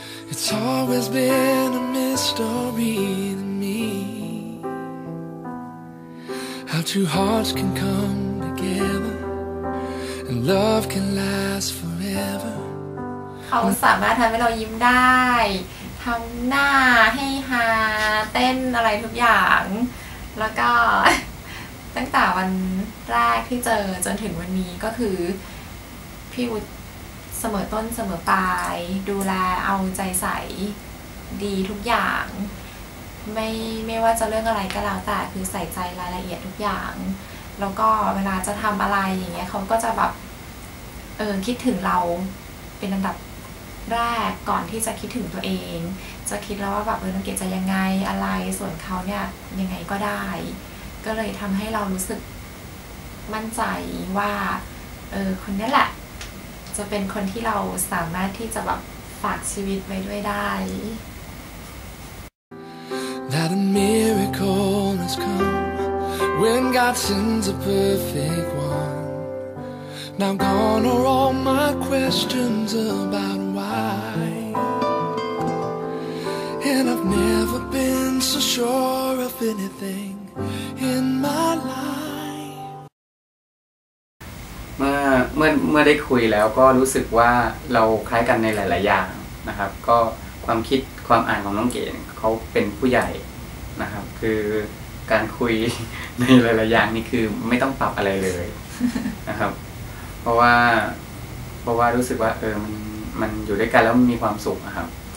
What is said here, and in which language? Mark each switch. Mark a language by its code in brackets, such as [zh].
[en] It's always been a mystery to me How two hearts can come together And love can last forever [th] เขาสามารถทำให้เรายิ้มได้ทำหน้าให้ฮาเต้นอะไรทุกอย่างแล้วก็ตั้งแต่วันแรกที่เจอจนถึงวันนี้ก็คือพี่วุฒิเสมอต้นเสมอปลายดูแลเอาใจใส่ดีทุกอย่าง ไม่ว่าจะเรื่องอะไรก็แล้วแต่คือใส่ใจรายละเอียดทุกอย่างแล้วก็เวลาจะทำอะไรอย่างเงี้ยเขาก็จะแบบคิดถึงเราเป็นอันดับแรกก่อนที่จะคิดถึงตัวเองจะคิดแล้วว่าแบบน้องเกศจะยังไงอะไรส่วนเขาเนี่ยยังไงก็ได้ก็เลยทำให้เรารู้สึกมั่นใจว่าคนนี้แหละจะเป็นคนที่เราสามารถที่จะแบบฝากชีวิตไว้ด้วยได้ [en] That a miracle has come When God sends a perfect one Now gone are all my questions about why And I've never been so sure of anything in my life [th] เมื่อได้คุยแล้วก็รู้สึกว่าเราคล้ายกันในหลายๆอย่างนะครับก็ความคิดความอ่านของน้องเก๋เขาเป็นผู้ใหญ่นะครับคือการคุยในหลายๆอย่างนี่คือไม่ต้องปรับอะไรเลยนะครับเพราะว่ารู้สึกว่ามันอยู่ด้วยกันแล้วมันมีความสุขนะครับ